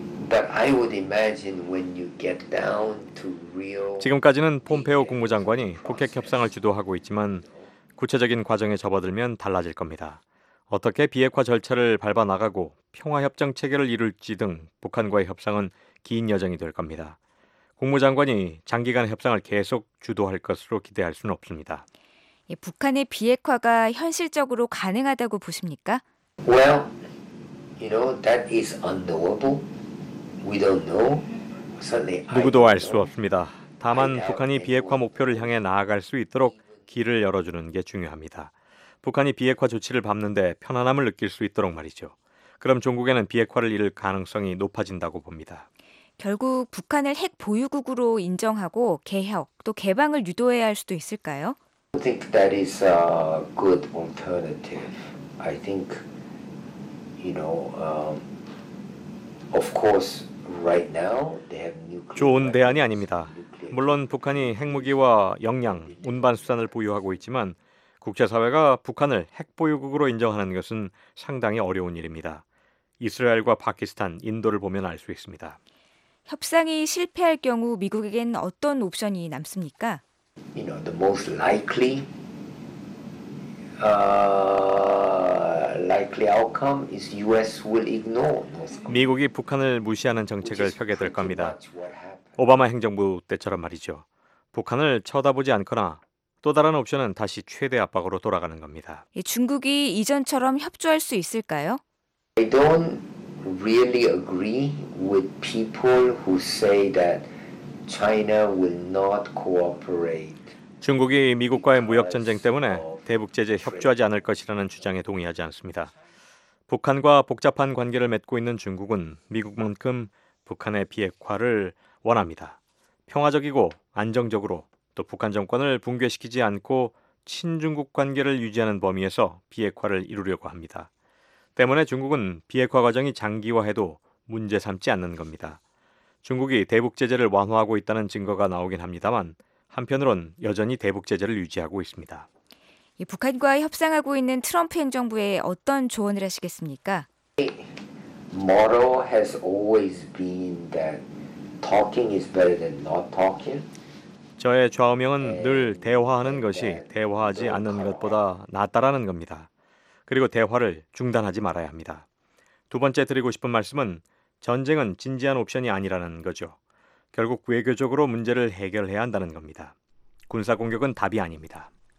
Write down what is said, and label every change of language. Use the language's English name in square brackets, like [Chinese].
[English] But I would imagine when you get down to real. [Korean] 지금까지는 폼페이오 국무장관이 북핵 협상을 주도하고 있지만 구체적인 과정에 접어들면 달라질 겁니다. 어떻게 비핵화 절차를 밟아 나가고 평화 협정 체결을 이룰지 등 북한과의 협상은 긴 여정이 될 겁니다. 국무장관이 장기간 협상을 계속 주도할 것으로 기대할 수는 없습니다. 북한의 비핵화가 현실적으로 가능하다고 보십니까? [English] Well, you know that is unknowable. We don't know. Certainly, [Korean] 누구도 알 수 없습니다. 다만 북한이 비핵화 목표를 향해 나아갈 수 있도록 길을 열어주는 게 중요합니다. 북한이 비핵화 조치를 밟는데 편안함을 느낄 수 있도록 말이죠. 그럼 중국에는 비핵화를 이룰 가능성이 높아진다고 봅니다. 결국 북한을 핵 보유국으로 인정하고 개혁 또 개방을 유도해야 할 수도 있을까요? [English] I think that is a good alternative. I think, you know, of course, right now they have nuclear. [Korean] 좋은 대안이 아닙니다. 물론 북한이 핵무기와 역량, 운반 수단을 보유하고 있지만 국제사회가 북한을 핵 보유국으로 인정하는 것은 상당히 어려운 일입니다. 이스라엘과 파키스탄, 인도를 보면 알 수 있습니다. 협상이 실패할 경우 미국에겐 어떤 옵션이 남습니까? [English] You know, the most likely, likely outcome is U.S. will ignore North Korea. [Korean] 미국이 북한을 무시하는 정책을 펴게 될 겁니다. 오바마 행정부 때처럼 말이죠. 북한을 쳐다보지 않거나 또 다른 옵션은 다시 최대 압박으로 돌아가는 겁니다. 중국이 이전처럼 협조할 수 있을까요? [English] I don't really agree with people who say that China will not cooperate. [Korean] 중국이 미국과의 무역 전쟁 때문에 대북 제재 협조하지 않을 것이라는 주장에 동의하지 않습니다. 북한과 복잡한 관계를 맺고 있는 중국은 미국만큼 북한의 비핵화를 원합니다. 평화적이고 안정적으로 또 북한 정권을 붕괴시키지 않고 친중국 관계를 유지하는 범위에서 비핵화를 이루려고 합니다. 때문에 중국은 비핵화 과정이 장기화해도 문제 삼지 않는 겁니다. 중국이 대북 제재를 완화하고 있다는 증거가 나오긴 합니다만 한편으론 여전히 대북 제재를 유지하고 있습니다. 북한과 협상하고 있는 트럼프 행정부에 어떤 조언을 하시겠습니까? [English] The motto has always been that talking is better than not talking. [Korean] 저의 좌우명은 늘 대화하는 것이 대화하지 않는 것보다 낫다라는 겁니다. 그리고 대화를 중단하지 말아야 합니다. 두 번째 드리고 싶은 말씀은 전쟁은 진지한 옵션이 아니라는 거죠. 결국 외교적으로 문제를 해결해야 한다는 겁니다. 군사공격은 답이 아닙니다.